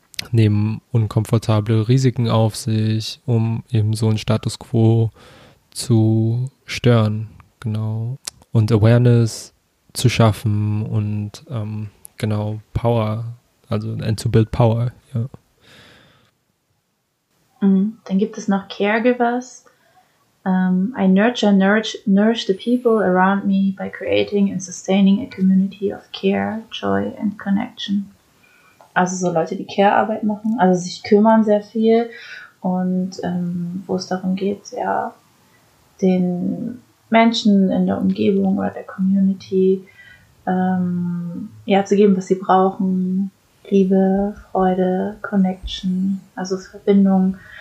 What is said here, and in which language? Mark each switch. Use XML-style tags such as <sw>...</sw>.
<de>nehmen unkomfortable Risiken auf sich, um eben so einen Status quo zu stören, genau. Und Awareness zu schaffen und genau, Power, also</de> <en>and to build power,</en> <de>ja. Dann gibt es noch Caregivers.</de> <en>I nurture and nourish the people around me by creating and sustaining a community of care, joy and connection.</en> <de>Also so Leute, die Care-Arbeit machen, also sich kümmern sehr viel und wo es darum geht, ja, den Menschen in der Umgebung oder der Community ja, zu geben, was sie brauchen. Liebe, Freude, Connection, also Verbindung.</de>